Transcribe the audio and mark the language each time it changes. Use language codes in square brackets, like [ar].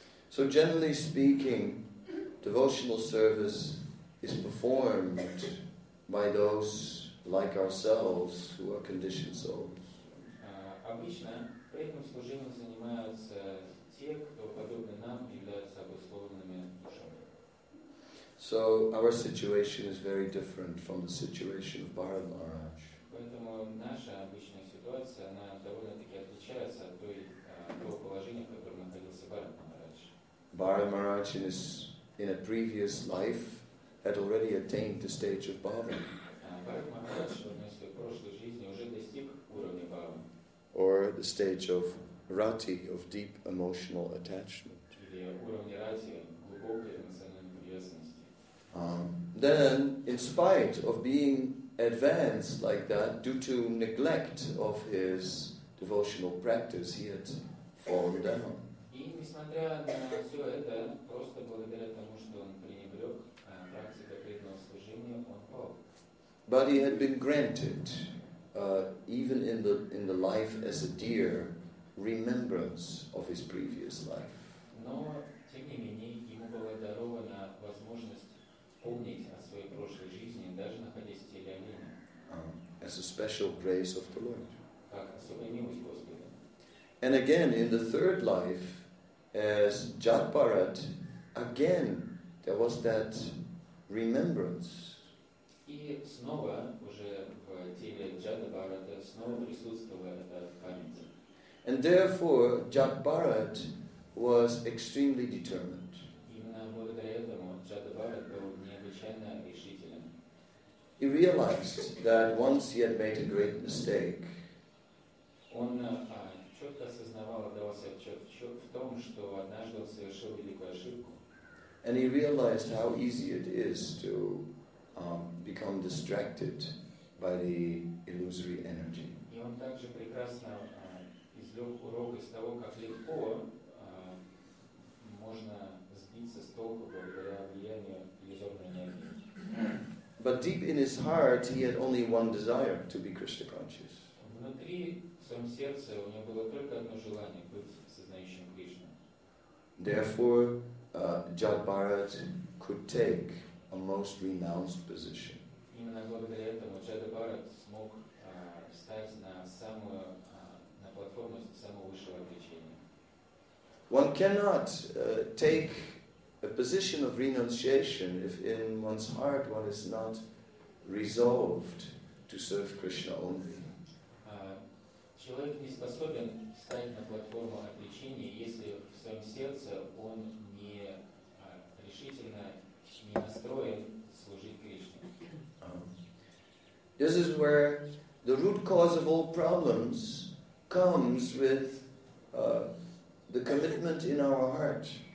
[en] So generally speaking, devotional service is performed by those like ourselves who are conditioned souls. [ru] Обычно преданным служением занимаются те, кто подобно нам являются обусловленными душами. [en] So our situation is very different from the situation of Bharat Maharaj. [ru] Поэтому наша обычная ситуация, она довольно-таки отличается от того положения, в котором находился Бхарат Махарадж. [en] Бхарат Махарадж in a previous life had already attained the stage of Bhavan. [ru] Бхарат Махарадж в одной своей прошлой жизни уже достиг уровня Бхавана. [en] Or the stage of Rati, of deep emotional attachment. [ru] Или уровня Рати, глубокой эмоциональной привязанности. [en] Then, in spite of being advanced like that, due to neglect of his devotional practice, he had fallen down. [ru] И несмотря на все это, просто благодаря тому, что он пренебрег практикой преданного служения, он пал. [en] But he had been granted, even in the life as a deer, remembrance of his previous life. [ru] Но тем не менее ему была дарована возможность помнить о своей прошлой жизни, даже находясь в теле оленя. [en] As a special grace of the Lord. [ru] Как особая милость Господа. [en] And again, in the third life, as Jatparat, again, there was that remembrance. [ru] И снова, уже в теле Jatparata, снова присутствовала эта память. [en] And therefore, Jatparat was extremely determined. [ru] Именно благодаря этому Jatparat был необычайно решителен. [en] He realized that once he had made a great mistake. [ru] Он четко осознавал, отдавал себе отчет в том, что однажды он совершил великую ошибку. [en] And he realized how easy it is to become distracted by the illusory energy. [ru] И он также прекрасно извлек урок из того, как легко можно сбиться с толку благодаря влиянию иллюзорной энергии. [en] But deep in his heart, he had only one desire, to be Krishna conscious. [ru] Внутри, в своем сердце, у него было только одно желание быть сознающим Кришну. [en] Therefore, Jatparat could take a most renounced position. [ru] Именно благодаря этому Jatparat смог встать на самую, на платформу самого высшего отречения. [en] One cannot take a position of renunciation if in one's heart one is not resolved to serve Krishna only. [ru] Человек не способен встать на платформу отречения, если в своем сердце он не решительно не настроен служить Кришне. [en] This is where the root cause of all problems comes with the commitment in our heart.